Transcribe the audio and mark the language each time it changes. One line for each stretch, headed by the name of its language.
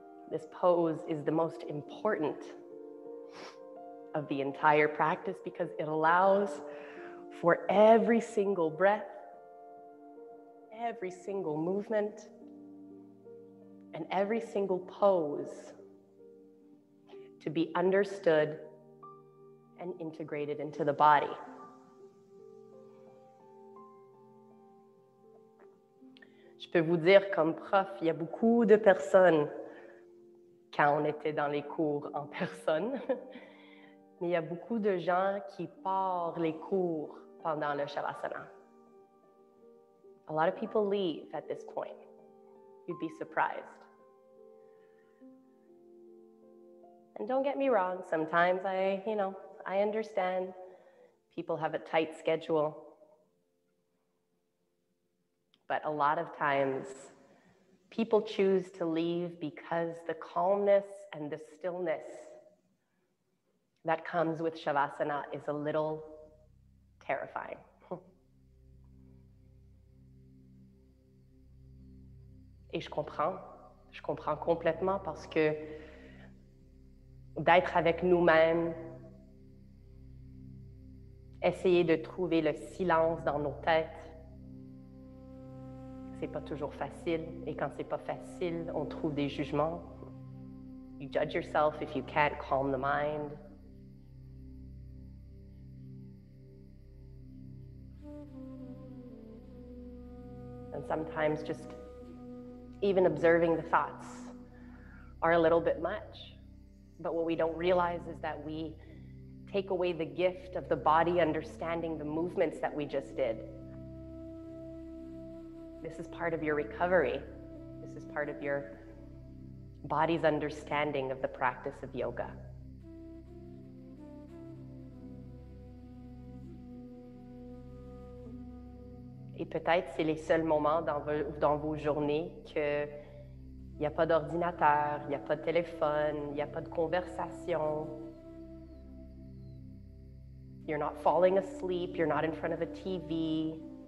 English: This pose is the most important of the entire practice because it allows for every single breath, every single movement, and every single pose to be understood and integrated into the body.
French: Je peux vous dire, comme prof, il y a beaucoup de personnes quand on était dans les cours en personne. Mais il y a beaucoup de gens qui partent les cours pendant le Shavasana.
English: A lot of people leave at this point. You'd be surprised. And don't get me wrong, sometimes I understand people have a tight schedule. But a lot of times, people choose to leave because the calmness and the stillness that comes with Shavasana is a little terrifying.
French: Et je comprends complètement parce que d'être avec nous-mêmes, essayer de trouver le silence dans nos têtes, c'est pas toujours facile, et quand c'est pas facile, on trouve des jugements.
English: You judge yourself if you can't calm the mind. And sometimes just even observing the thoughts are a little bit much. But what we don't realize is that we take away the gift of the body understanding the movements that we just did. This is part of your recovery. This is part of your body's understanding of the practice of yoga.
French: Et peut-être c'est les seuls moments dans vos journées que il y a pas d'ordinateur, il y a pas de téléphone, il y a pas de conversation.
English: You're not falling asleep, you're not in front of a TV.